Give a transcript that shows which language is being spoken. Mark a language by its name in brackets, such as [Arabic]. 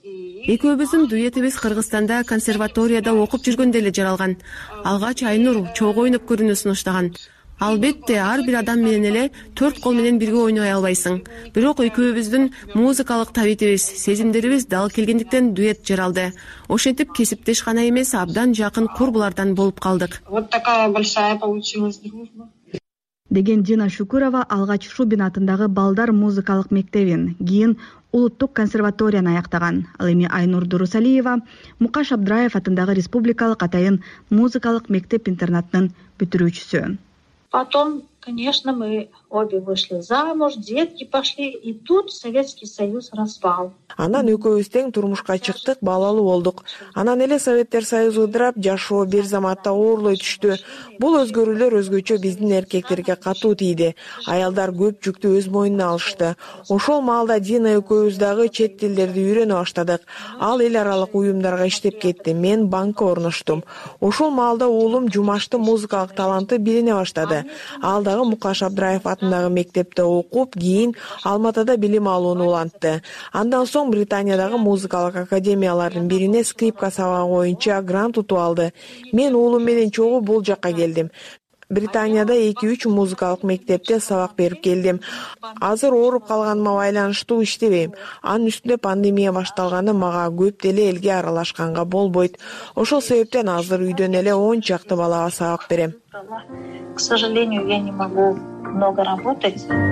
[Kyrgyz] Экөөбүздүн дуэтибиз Кыргызстанда консерваторияда окуп жүргөндө эле жаралган. Алгач Айнур чогуу ойноп көрүүнү сунуштаган. Албетте, ар бир адам менен эле төрт кол менен бирге ойной албайсың. Бирок экөөбүздүн музыкалык табитибиз, сезимдерибиз дал келгендиктен дуэт жаралды. Ошентип кесиптеш гана эмес, абдан жакын курбулардан болуп калдык. [Russian] Вот такая большая получилась дружба. [Kyrgyz] Деген Дина Шүкүрова алгач Шубин атындагы балдар музыкалык мектебин, кийин улуттук консерваторияны аяктаган. Ал эми Айнур Дурусалиева Мукаш Абдраев атындагы республикалык атайын музыкалык мектеп интернатынын бүтүрүүчүсү. [Russian] Потом, конечно, мы обе вышли замуж, детки пошли, и тут Советский Союз распал. [Kyrgyz] Анан экөөбүз тең турмушка чыктык, балалуу болдук. Анан эле Советтер Союзу ыдырап, жашоо бир заматта оорлой түштү. Бул өзгөрүүлөр өзгөчө биздин эркектерге катуу тийди. Аялдар көп жүктү өз мойнуна алышты. Ошол маалда Дина экөөбүз дагы чет тилдерди үйрөнө баштадык. Ал эл аралык уюмдарга иштеп кетти, мен банкка орноштум. Ошол маалда уулум Жумаштын музыкалык таланты билине баштады. Ал дагы Мукаш Абдраев атындагы мектепте окуп, кийин Алматыда билим алууну улантты. Андан соң Британиядагы музыкалык академиялардын бирине скрипка сабагы боюнча грант утуп алды. Мен уулум менен чогуу бул жакка келдим. Британияда 2-3 музыкалык мектепте сабак берип келдим. Азыр ооруп калганыма байланыштуу иштебейм. Анын үстүнө пандемия башталганы мага көп деле элге аралашканга болбойт. Ошол себептен азыр үйдөн эле 10 чакты балага сабак берем. [Russian] К сожалению, я не могу много работать.